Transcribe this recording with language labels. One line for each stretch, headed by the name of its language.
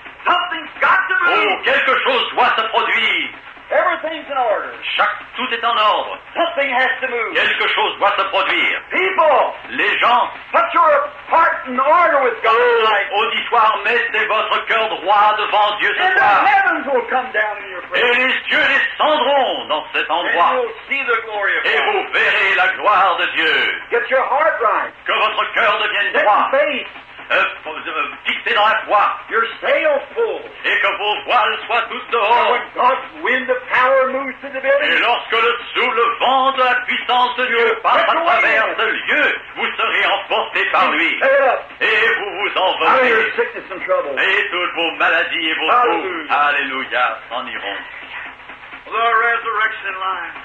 English: Something's got to move.
French: Oh, quelque chose doit se produire.
English: Everything's in order.
French: Tout est en ordre.
English: Something has to move.
French: Quelque chose doit se produire.
English: People.
French: Les gens.
English: Put your heart in order with God.
French: Auditoire, mettez votre cœur droit devant Dieu ce
English: and
French: soir.
English: And the heavens will come down in your presence.
French: Et les cieux descendront dans cet endroit.
English: And you'll see the glory of God.
French: Et vous verrez la gloire de Dieu.
English: Get your heart right.
French: Que votre cœur devienne
English: Get
French: droit.
English: In faith.
French: Fixé dans la foi.
English: Your sails full.
French: Et que vos voiles soient toutes dehors.
English: And when God's wind of power moves to the building.
French: Et lorsque le vent de la puissance de Dieu passe à travers ce lieu, vous serez emporté par lui. Et vous vous envolez.
English: Your sickness and trouble.
French: Et toutes vos maladies et vos maux. Alléluia. S'en iront.
English: The resurrection line.